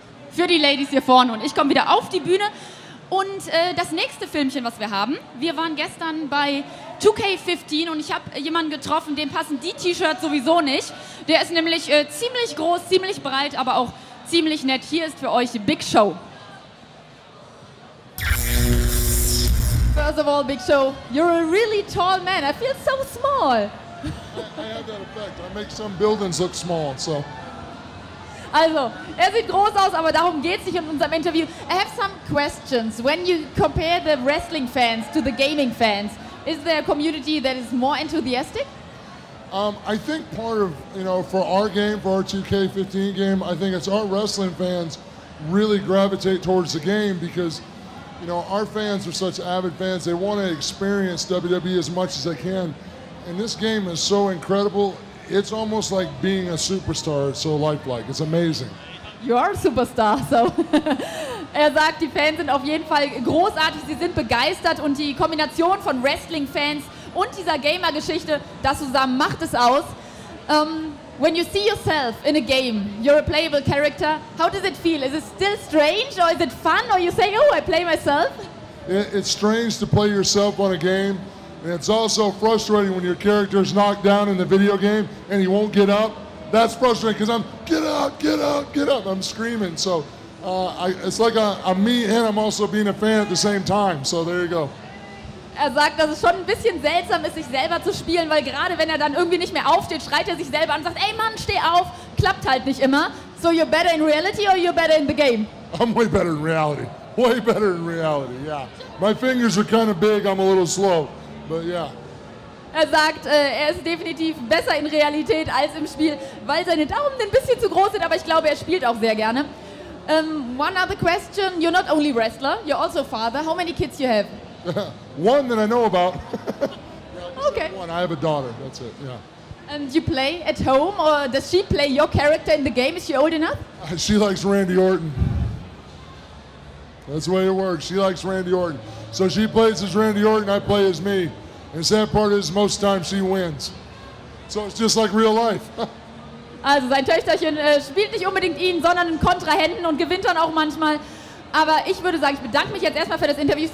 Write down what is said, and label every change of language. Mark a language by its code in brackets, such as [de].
[de] Für die Ladies hier vorne. Und ich komme wieder auf die Bühne. Und das nächste Filmchen, was wir haben, wir waren gestern bei 2K15 und ich habe jemanden getroffen, dem passen die T-Shirts sowieso nicht. Der ist nämlich ziemlich groß, ziemlich breit, aber auch ziemlich nett. Hier ist für euch Big Show. [en] First of all, Big Show, you're a really tall man. I feel so small. I have that effect. I make some buildings look small, so. [de] Also, er sieht groß aus, aber darum geht's nicht in unserem Interview. [en] I have some questions. When you compare the wrestling fans to the gaming fans, is there a community that is more enthusiastic? I think part of, you know, for our game, for our 2K15 game, I think it's our wrestling fans really gravitate towards the game because, you know, our fans are such avid fans. They want to experience WWE as much as they can. And this game is so incredible. It's almost like being a superstar. It's so lifelike. It's amazing. You are a superstar, so. [de] Er sagt, die Fans sind auf jeden Fall großartig. Sie sind begeistert und die Kombination von Wrestling-Fans und dieser Gamer-Geschichte, das zusammen macht es aus. [en] When you see yourself in a game, you're a playable character, how does it feel? Is it still strange or is it fun or you say, oh, I play myself? It's strange to play yourself on a game. And it's also frustrating when your character is knocked down in the video game and he won't get up. That's frustrating because I'm, get up, get up, get up. I'm screaming. So it's like a me and I'm also being a fan at the same time. So there you go. [de] Er sagt, dass es schon ein bisschen seltsam ist, sich selber zu spielen, weil gerade wenn er dann irgendwie nicht mehr aufsteht, schreit er sich selber an und sagt, ey Mann, steh auf. Klappt halt nicht immer. [en] So you're better in reality or you're better in the game? I'm way better in reality. Way better in reality, yeah. My fingers are kind of big, I'm a little slow. But yeah. [de] Er sagt, er ist definitiv besser in Realität als im Spiel, weil seine Daumen ein bisschen zu groß sind, aber ich glaube, er spielt auch sehr gerne. [en] One other question, you're not only wrestler, you're also father. How many kids you have? One that I know about. Okay. One, I have a daughter, that's it, yeah. And you play at home, or does she play your character in the game? Is she old enough? She likes Randy Orton. That's the way it works, she likes Randy Orton. So she plays as Randy Orton, I play as me. And the sad part is, most times she wins. So it's just like real life. [de] Also sein Töchterchen spielt nicht unbedingt ihn, sondern in Kontrahenten und gewinnt dann auch manchmal. Aber ich würde sagen, ich bedanke mich jetzt erstmal für das Interview.